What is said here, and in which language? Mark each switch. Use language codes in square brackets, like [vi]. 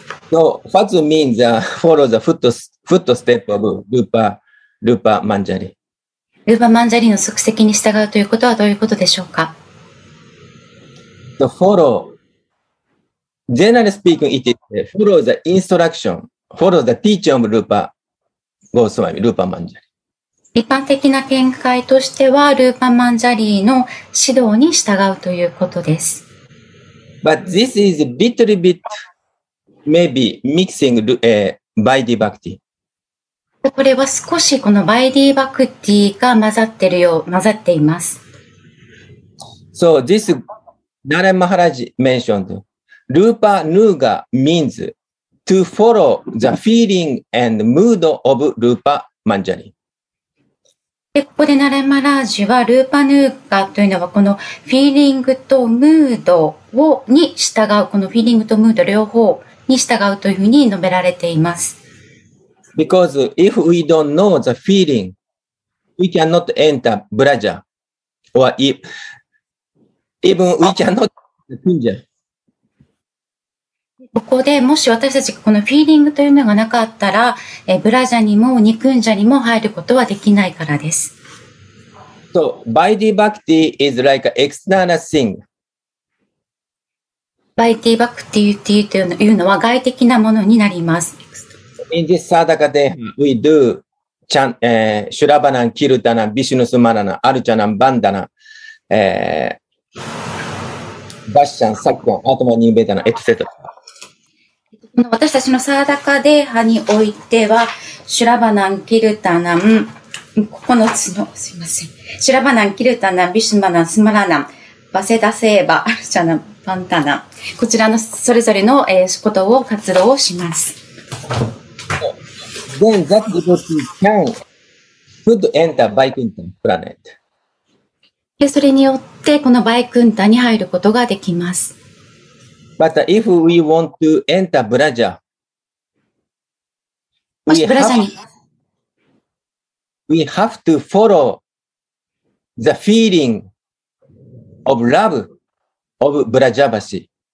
[en] So what means follow the footstep of Rupa? [ja] ルーパマンジャリ。ルーパマンジャリの足跡に従うということはどういうことでしょうか。 [en] The follow. Generally speaking, it is follow the instruction, follow the teaching of Rupa Goswami, Rupa Manjari. [ja] 一般的な見解としては、ルーパマンジャリの指導に従うということです。 [en] But this is a little bit maybe mixing Vaidhi Bhakti. [ja] これは少しこのバイディバクティが混ざってるよう、混ざっています。 [en] So, this Narayan Maharaj mentioned, Rupa Nuga means to follow the feeling and mood of Rupa Manjari. [ja] で、ここで Narayan Maharaj は、Rupa Nuga というのはこのフィーリングとムードに従う、このフィーリングとムード両方に従うというふうに述べられています。 [en] Because if we don't know the feeling, we cannot enter braja. Or if, even we cannot enter pinja. [ja] ここでもし私たちがこのフィーリングというのがなかったら、ブラジャにもニクンジャにも入ることはできないからです。 [en] So, Vaidhi Bhakti is like an external thing. [ja] Vaidhi Bhakti というのは外的なものになります。 [en] In this sadhaka day, we do Shurabhanan, Kirtanan, Vishnusmaranan, Archanan, Bandhanan, Vashyan, Sakyan, Atman, Nibedanan, etc. [ja] 私たちのサーダカデーハにおいては、シュラバナン、キルタナン、九つの、すいません。シュラバナン、キルタナン、ビシュマナン、スマラナン、バセダセーバ、アルチャナン、パンタナン。こちらのそれぞれの、ことを活動をします。 [en] Then that devotee can, could enter Vaikuntha planet. [ja] それによって、このバイクンタに入ることができます。 [en] But if we want to enter Braja, we have to follow the feeling of love of Brajavasi.